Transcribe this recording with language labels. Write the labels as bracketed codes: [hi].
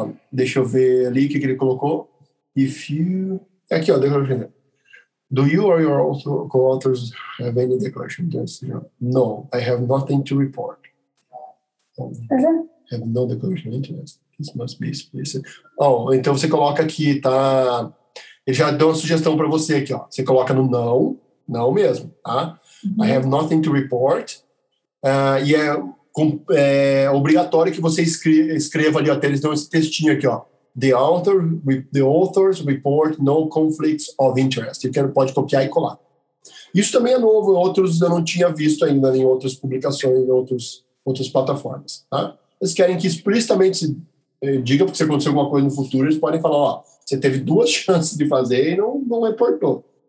[pt] Deixa eu ver ali o que ele colocou. [en] If you... [pt] Aqui, ó, declaration. [en] Do you or your co-authors have any declaration of interest? No, I have nothing to report. Uh-huh. Have no declaration of interest. This must be explicit. [pt] Então você coloca aqui, tá... Ele já deu uma sugestão para você aqui, ó. Você coloca no não, não mesmo, tá? [en] Uhum. I have nothing to report. [pt] E é obrigatório que você escreva ali, até eles dão esse textinho aqui, ó. [en] The authors report no conflicts of interest. [pt] Você pode copiar e colar. Isso também é novo, outros eu não tinha visto ainda em outras publicações, em outras plataformas, tá? Eles querem que explicitamente diga, porque se acontecer alguma coisa no futuro, eles podem falar, ó, você teve duas chances de fazer e não reportou.